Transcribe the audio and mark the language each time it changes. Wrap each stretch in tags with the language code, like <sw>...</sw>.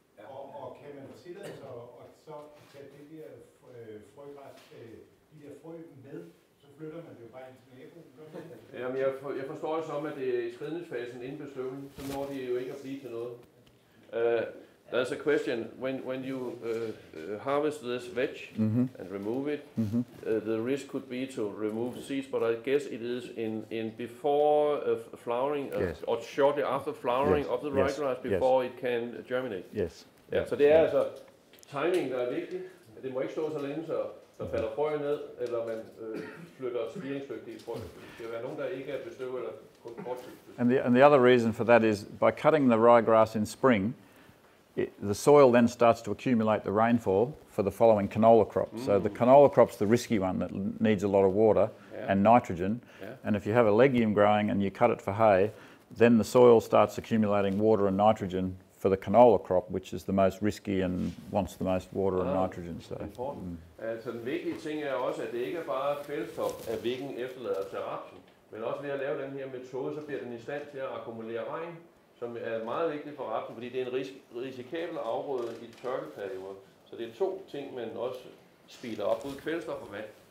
<da>Og kan man tillade sig og så tage det der frøgræs, de der frø med, så flytter man det jo bare ind til naboen. Jamen, jeg forstår det som, at det er i skridningsfasen inden bestøvning, så når de jo ikke at blive til noget.</da> <en>There's a question. When you harvest this veg and remove it, the risk could be to remove seeds, but I guess it is in before flowering or shortly after flowering of the ryegrass before it can germinate. Yes. Yeah.</en> <da>Så det er altså timing, der er vigtigt. Det må ikke stå så længe, så der falder frø ned, eller man flytter spiringsdygtige frø. Det kan være nogen, der ikke er bestøvet eller kun kort tid.</da> <en>And the other reason for that is by cutting the ryegrass in spring, the soil then starts to accumulate the rainfall for the following canola crop. Mm. So the canola crop's the risky one that needs a lot of water and nitrogen. Yeah. And if you have a legume growing and you cut it for hay, then the soil starts accumulating water and nitrogen for the canola crop, which is the most risky and wants the most water and nitrogen. So</en> <da>Altså, den vigtige ting er også, at det ikke er bare kvælstof, at væggen efterlader til rapsen, men også ved at lave den her metode, så bliver den i stand til at akkumulere regn, som er meget vigtigt for rapsen, fordi det er en risikabel afgrøde i tørkeperioder. Så det er to ting, man også speeder op, både kvælstof og vand.</da>